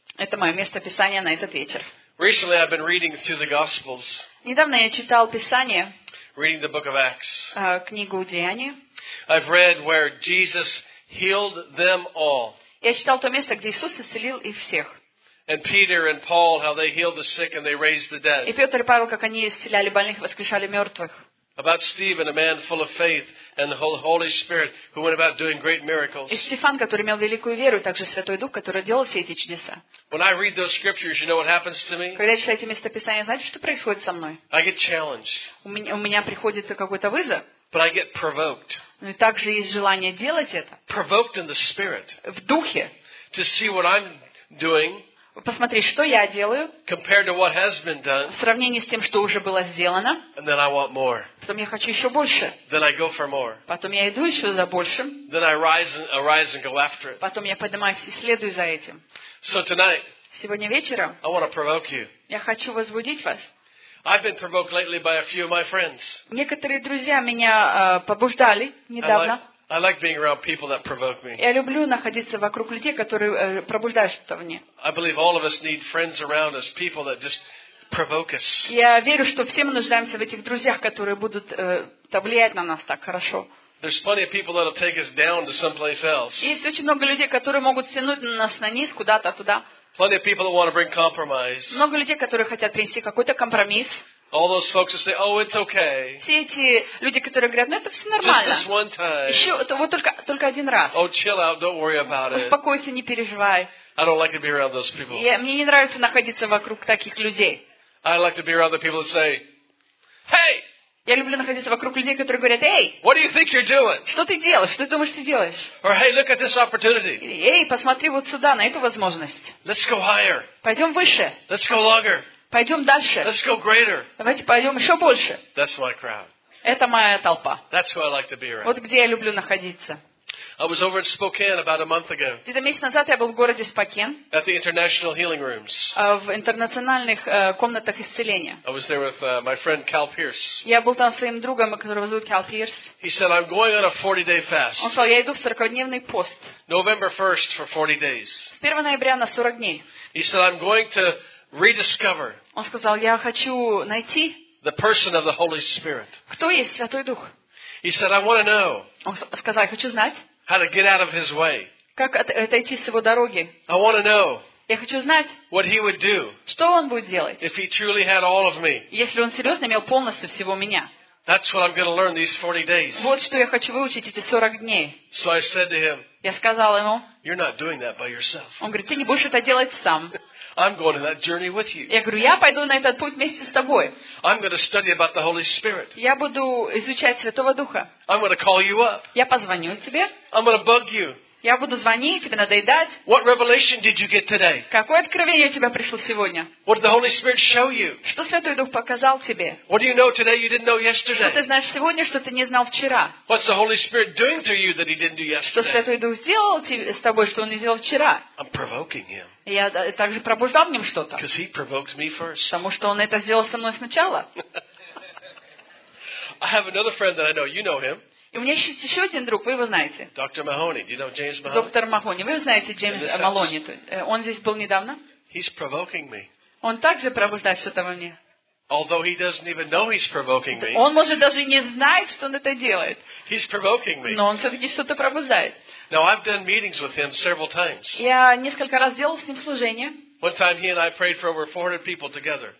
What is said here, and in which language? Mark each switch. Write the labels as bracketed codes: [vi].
[ru] Это мое место писания на этот вечер. [en] Recently I've been reading through the Gospels. [ru] Недавно я читал Писание. [en] Reading the book of Acts. [ru] Книгу Деяний. [en] I've read where Jesus healed them all. [ru] Я читал то место, где Иисус исцелил их всех. [en] And Peter and Paul, how they healed the sick and they raised the dead. [ru] И Петр и Павел, как они исцеляли больных, воскрешали мертвых. [en] About Stephen, a man full of faith and the Holy Spirit, who went about doing great miracles. [ru] И Стефан, который имел великую веру, также Святой Дух, который делал все эти чудеса. [en] When I read those scriptures, you know what happens to me? [ru] Когда я читаю эти места Писания, знаете, что происходит со мной? [en] I get challenged. [ru] У меня приходит какой-то вызов. [en] But I get provoked. [ru] Но также есть желание делать это. [en] Provoked in the spirit. [ru] В духе. [en] To see what I'm doing. [ru] Посмотреть, что я делаю. [en] Compared to what has been done. [ru] В сравнении с тем, что уже было сделано. [en] And then I want more. [ru] Потом я хочу еще больше. [en] Then I go for more. [ru] Потом я иду еще за большим. [en] Then I arise and go after it. [ru] Потом я поднимаюсь и следую за этим. [en] So tonight. [ru] Сегодня вечером. [en] I want to provoke you. [ru] Я хочу возбудить вас. [en] I've been provoked lately by a few of my friends. [ru] Некоторые друзья меня побуждали недавно. [en] I like being around people that provoke me. [ru] Я люблю находиться вокруг людей, которые пробуждают что-то мне. [en] I believe all of us need friends around us, people that just provoke us. [ru] Я верю, что все мы нуждаемся в этих друзьях, которые будут влиять на нас так хорошо. [en] There's plenty of people that'll take us down to someplace else. [ru] Есть очень много людей, которые могут тянуть нас на низ куда-то туда. [en] Plenty of people that want to bring compromise. [ru] Много людей, которые хотят принести какой-то компромисс. [en] All those folks who say, "Oh, it's okay." [ru] Все эти люди, которые говорят, ну это все нормально. [en] Just this one time. [ru] Еще вот только один раз. [en] Oh, chill out, don't worry about it. [ru] Успокойся, не переживай. [en] I don't like to be around those people. [ru] Мне не нравится находиться вокруг таких людей. [en] I like to be around the people who say, "Hey." [ru] Я люблю находиться вокруг людей, которые говорят, "Эй." [en] What do you think you're doing? [ru] Что ты делаешь? Что ты думаешь, ты делаешь? [en] Or hey, look at this opportunity. [ru] Эй, посмотри вот сюда на эту возможность. [en] Let's go higher. [ru] Пойдем выше. [en] Let's go longer. [ru] Пойдем дальше. [en] Let's go greater. [ru] Давайте пойдем еще больше. [en] That's my crowd. [ru] Это моя толпа. [en] That's who I like to be around. [ru] Вот где я люблю находиться. [en] I was over at Spokane about a month ago. [ru] Где-то месяц назад я был в городе Спокен. [en] At the International Healing Rooms. [ru] В интернациональных комнатах исцеления. [en] I was there with my friend Cal Pierce. [ru] Я был там с своим другом, которого зовут Cal Pierce. [en] He said, "I'm going on a 40-day fast." [ru] Он сказал, я иду в 40-дневный пост. [en] November 1st for 40 days. [ru] 1 ноября на 40 дней. [en] He said, "I'm going to rediscover." [ru] Он сказал, я хочу найти. [en] The person of the Holy Spirit. [ru] Кто есть Святой Дух? [en] He said, "I want to know." [ru] Он сказал, я хочу знать. [en] How to get out of his way. [ru] Как отойти с его дороги? [en] I want to know. [ru] Я хочу знать. [en] What he would do. [ru] Что он будет делать? [en] If he truly had all of me. [ru] Если он серьезно имел полностью всего меня. [en] That's what I'm going to learn these 40 days. [ru] Вот что я хочу выучить эти 40 дней. [en] So I said to him, [ru] я сказал ему, [en] you're not doing that by yourself. [ru] Он говорит, ты не будешь это делать сам. [en] I'm going on that journey with you. [ru] Я говорю, я пойду на этот путь вместе с тобой. [en] I'm going to study about the Holy Spirit. [ru] Я буду изучать Святого Духа. [en] I'm going to call you up. [ru] Я позвоню тебе. [en] I'm going to bug you. [ru] Я буду звонить тебе, надоедать. [en] What revelation did you get today? [ru] Какое откровение у тебя пришло сегодня? [en] What did the Holy Spirit show you? [ru] Что Святой Дух показал тебе? [en] What do you know today you didn't know yesterday? [ru] Что ты знаешь сегодня, что ты не знал вчера? [en] What's the Holy Spirit doing to you that He didn't do yesterday? [ru] Что Святой Дух сделал с тобой, что Он не сделал вчера? [en] I'm provoking Him. [ru] Я также пробуждал в нем что-то. [en] Because He provoked me first. [ru] Потому что Он это сделал со мной сначала. [en] I have another friend that I know. You know him. [ru] И у меня есть еще один друг, вы его знаете. [en] Доктор Махони. Do you know James Mahoney? [ru] Доктор Махони. Вы знаете Джеймс Малони. Он здесь был недавно. [en] He's provoking me. [ru] Он также пробуждает что-то во мне. [en] Although he doesn't even know he's provoking me. [ru] Он может даже не знать, что он это делает. [en] He's provoking me. [ru] Но он все-таки что-то пробуждает. [en] Now, I've done meetings with him several times. [ru] Я несколько раз делал с ним служение. [en] One time he and I prayed for over 400 people together.